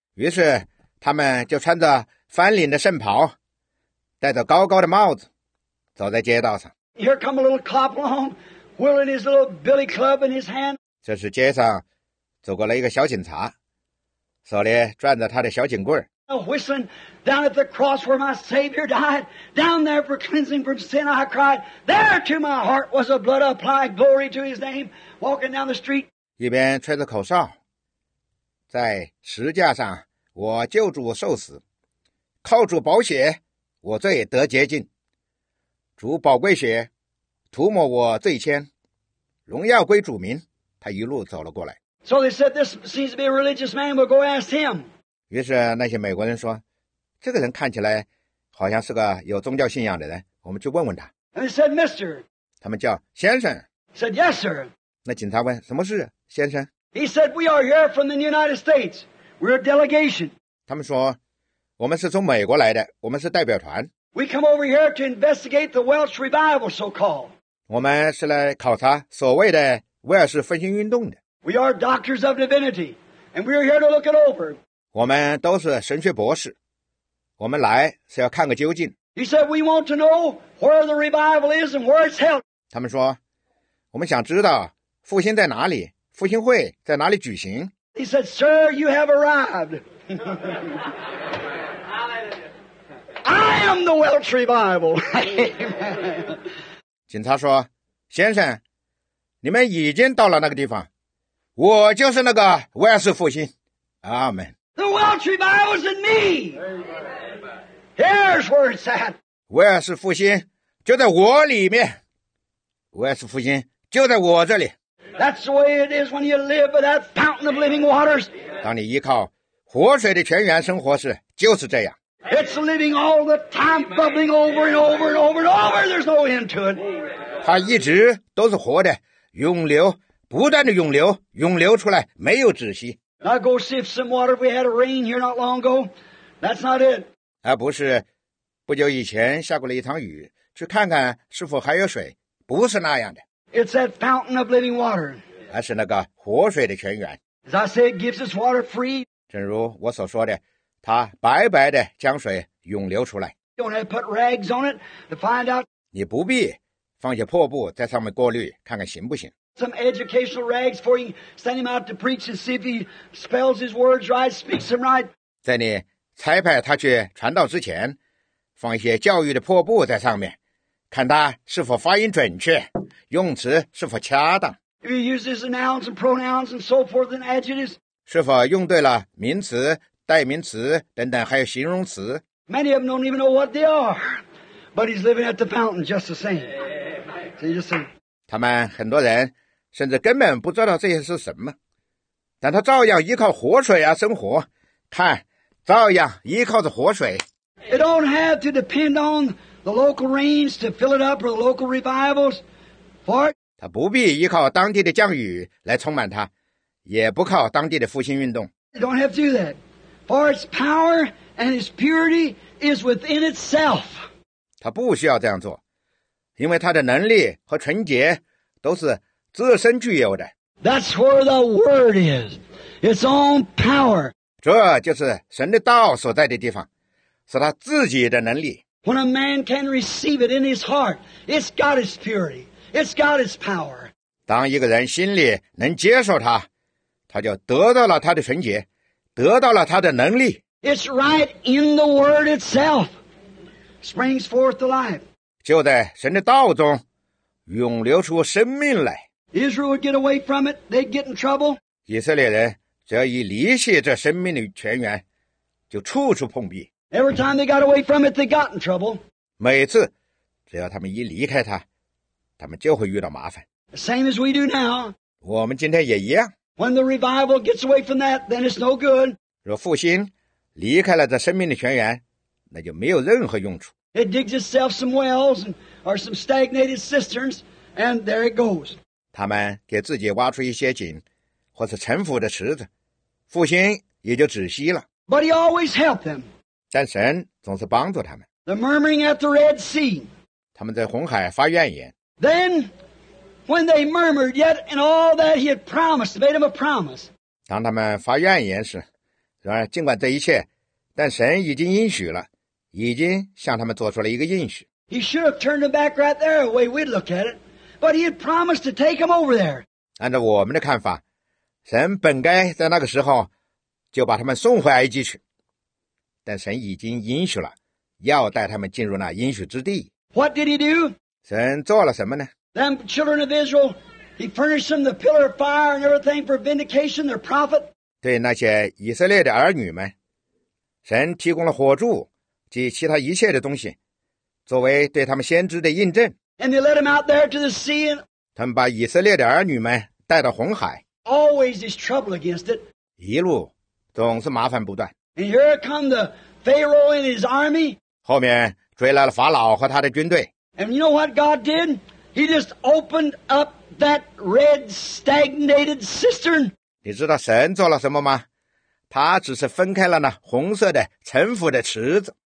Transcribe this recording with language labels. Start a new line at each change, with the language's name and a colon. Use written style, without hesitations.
Chinese: 于是他们就穿着翻领的圣袍，戴着高高的帽子，走在街道上。
English: Here come a little cop along. Wheeling his little billy club in his hand.
Chinese: 这是街上走过来一个小警察，手里攥着他的小警棍。
English: Whistling down at the cross where my Savior died, down there for cleansing from sin, I cried. There to my heart was a blood applied, glory to His name. Walking down the street.
Chinese: 一边吹着口哨，在十字架上我救主受死，靠主宝血我罪得洁净，主宝贵血涂抹我罪愆，荣耀归主民，他一路走了过来。
English: So they said, this seems to be a religious man, we'll go ask him.
Chinese: 于是那些美国人说，这个人看起来好像是个有宗教信仰的人，我们去问问他。
English: And they said, Mr.
Chinese: 他们叫先生。
English: Said, yes, sir.
Chinese: 那警察问，什么事，先生？
English: He said, we are here from the United States. We're a delegation.
Chinese: 他们说，我们是从美国来的，我们是代表团。
English: We come over here to investigate the Welsh Revival, so-called.
Chinese: 我们是来考察所谓的威尔士复兴运动的。
English: We are doctors of divinity, and we are here to look it over.
Chinese: 我们都是神学博士，我们来是要看个究竟。
English: He said, we want to know where the revival is and where it's held.
Chinese: 他们说，我们想知道复兴在哪里，复兴会在哪里举行。
English: He said, sir, you have arrived. I am the Welsh Revival.
Chinese: 警察说，先生，你们已经到了那个地方，我就是那个威尔士复兴。
English: Amen. The Welsh Revival is in me. Here's where it's at.
Chinese: 威尔士复兴就在我里面，威尔士复兴就在我这里。
English: That's the way it is when you live by that fountain of living waters.
Chinese: 当你依靠活水的泉源生活时，就是这样。
English: It's living all the time, bubbling over and over and over and over. There's no end to it.
Chinese: 它一直都是活的，涌流，不断的涌流，涌流出来，没有止息。
English: Now go see if some water. We had a rain here not long ago. That's not it.
Chinese: 而不是，不久以前下过了一场雨，去看看是否还有水，不是那样的。
English: It's that fountain of living water.
Chinese: 而是那个活水的泉源。
English: As I said, gives us water free.
Chinese: 正如我所说的。他白白的将水涌流出来。
English: Don't have to put rags on it to find out.
Chinese: 你不必放些破布在上面过滤，看看行不行。
English: Some educational rags for you, send him out to preach and see if he spells his words right, speaks them right.
Chinese: 在你差派他去传道之前，放一些教育的破布在上面，看他是否发音准确，用词是否恰当。
English: If he uses nouns and pronouns and so forth and adjectives.
Chinese: 是否用对了名词？代名词等等，还有形容词。
English: Many of them don't even know what they are, but he's living at the fountain just the same. So you just say,
Chinese: 他们很多人甚至根本不知道这些是什么，但他照样依靠活水啊生活。看，照样依靠着活水。
English: It don't have to depend on the local rains to fill it up or the local revivals for it.
Chinese: 他不必依靠当地的降雨来充满他，也不靠当地的复兴运动。
English: You don't have to do that. For its power and its purity is within itself.
Chinese: 他不需要这样做，因为他的能力和纯洁都是自身具有的。
English: That's where the word is. Its own power.
Chinese: 这就是神的道所在的地方，是他自己的能力。
English: When a man can receive it in his heart, it's got its purity. It's got its power.
Chinese: 当一个人心里能接受他，他就得到了他的纯洁。得到了他的能力。
English: It's right in the word itself. Springs forth to life.
Chinese: 就在神的道中涌流出生命来。
English: Israel would get away from it. They'd get in trouble.
Chinese: 以色列人只要一离弃这生命的泉源，就处处碰壁。
English: Every time they got away from it, they got in trouble.
Chinese: 每次只要他们一离开它，他们就会遇到麻烦。
English: Same as we do now.
Chinese: 我们今天也一样。
English: When the revival gets away from that, then it's no good.
Chinese: 若复兴离开了这生命的泉源，那就没有任何用处。
English: It digs itself some wells and, or some stagnated cisterns, and there it goes.
Chinese: 他们给自己挖出一些井，或是沉浮的池子，复兴也就止息了。
English: But he always helped them.
Chinese: 但神总是帮助他们。
English: The murmuring at the Red Sea.
Chinese: 他们在红海发怨言。
English: Then,When they murmured, yet in all that he had promised, made him a promise.
Chinese: 当他们发怨言时，然而尽管这一切，但神已经应许了，已经向他们做出了一个应许。
English: He should have turned them back right there, the way we'd look at it. But he had promised to take them over there.
Chinese: 按照我们的看法，神本该在那个时候就把他们送回埃及去，但神已经应许了，要带他们进入那应许之地。
English: What did he do?
Chinese: 神做了什么呢？
English: Them children of Israel, he furnished them the pillar of fire and everything for vindication, their prophet.
Chinese: 对那些以色列的儿女们，神提供了火柱及其他一切的东西，作为对他们先知的印证。
English: And they led him out there to the sea.
Chinese: 他们把以色列的儿女们带到红海。
English: Always is trouble against it.
Chinese: 一路总是麻烦不断。
English: And here come the Pharaoh and his army.
Chinese: 后面追来了法老和他的军队。
English: And you know what God did? He just opened up that red stagnated cistern.
Chinese: 你知道神做了什么吗？他只是分开了那红色的沉浮的池子。